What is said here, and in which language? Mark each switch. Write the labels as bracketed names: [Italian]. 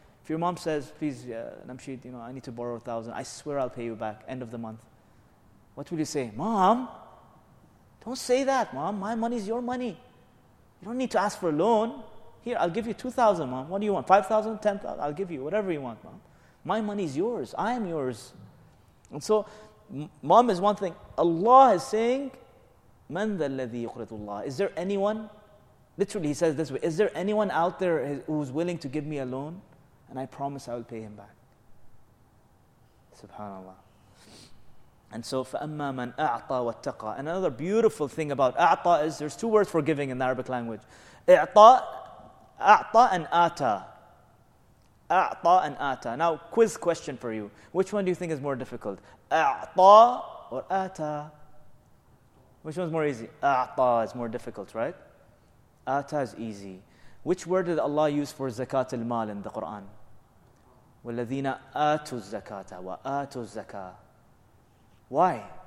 [English] If your mom says, please, Namshid, you know, I need to borrow 1,000. I swear I'll pay you back end of the month. What will you say? Mom, don't say that, Mom. My money is your money. You don't need to ask for a loan. Here, I'll give you 2,000, Mom. What do you want? 5,000, 10,000? I'll give you whatever you want, Mom. My money is yours. I am yours. And so, Mom is one thing. Allah is saying, [Arabic] مَنْ ذَا الَّذِي يُقْرِضُ اللَّهِ. [English] Is there anyone? Literally, He says this way. Is there anyone out there who's willing to give me a loan? And I promise I will pay him back. SubhanAllah. And so, [Arabic] فَأَمَّا مَنْ أَعْطَى وَاتَّقَى. [English] And another beautiful thing about أَعْطَى is there's two words for giving in the Arabic language. [Arabic] أَعْطَى and آتَى. أَعْطَى and آتَى. [English] Now, quiz question for you. Which one do you think is more difficult? أَعْطَى or آتَى? Which one's more easy? أَعْطَى is more difficult, right? آتَى is easy. Which word did Allah use for zakat al-mal in the Quran? [Arabic] وَالَّذِينَ آتُوا الزَّكَاةَ وَآتُوا الزَّكَاةَ. [English] Why?